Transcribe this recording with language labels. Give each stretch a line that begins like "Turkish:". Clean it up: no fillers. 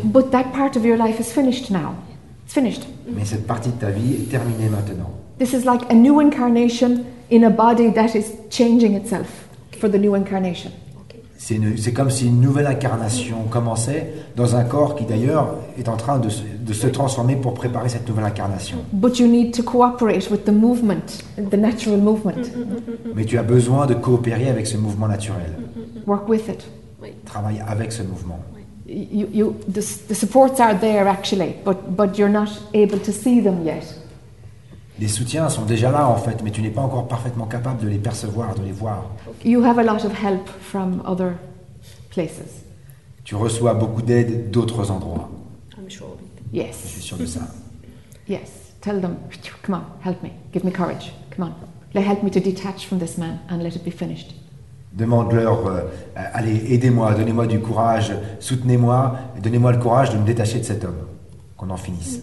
English: But that part of your life is finished now. It's finished.
French: Mais cette partie de ta vie est terminée maintenant.
English: This is like a new incarnation in a body that is changing itself for the new incarnation.
French: C'est comme si une nouvelle incarnation commençait dans un corps qui d'ailleurs est en train de se transformer pour préparer cette nouvelle incarnation.
English: But you need to cooperate with the movement, the natural movement.
French: Mais tu as besoin de coopérer avec ce mouvement naturel.
English: Work with it.
French: Travaille avec ce mouvement.
English: The supports are there actually, but you're not able to see them yet.
French: Les soutiens sont déjà là en fait, mais tu n'es pas encore parfaitement capable de les percevoir, de les voir.
English: You have a lot of help from other places.
French: Tu reçois beaucoup d'aide d'autres endroits.
English: I'm sure of it. Yes.
French: Je suis sûr de ça.
English: Yes. Tell them, come on, help me, give me courage. Come on, let help me to detach from this man and let it be finished.
French: Demande-leur, allez, aidez-moi, donnez-moi du courage, soutenez-moi, donnez-moi le courage de me détacher de cet homme, qu'on en finisse.